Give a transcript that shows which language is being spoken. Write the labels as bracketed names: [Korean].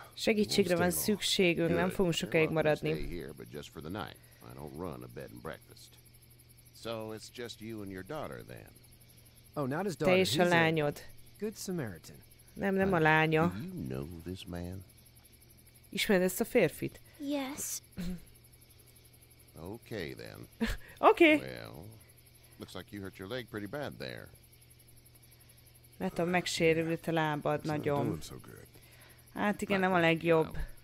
[Hungarian] Segítségre van szükségünk, nem fogunk sokáig maradni. [English] Here, but just for the night. I don't run a bed and breakfast. So it's just you and your daughter then. Oh, not his daughter. [Hungarian] Te és a lányod. [English] Good Samaritan. [Hungarian] Nem a lánya. [English] Do you know this man? [Hungarian] Ismered ezt a férfit? [English] Yes. Okay then. Okay. Well, looks like you hurt your leg pretty bad there. [Hungarian] Mert a megsérült a lábad nagyon. Hát igen, nem a legjobb.